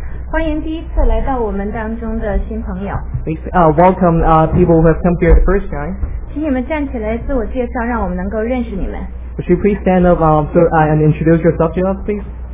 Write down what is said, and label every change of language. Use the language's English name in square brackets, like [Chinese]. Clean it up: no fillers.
[Chinese] 欢迎第一次来到我们当中的新朋友。 [English] Welcome people who have come here the first time. [Chinese] 请你们站起来自我介绍，让我们能够认识你们。 [English] Would you please stand up and introduce yourself to us, please?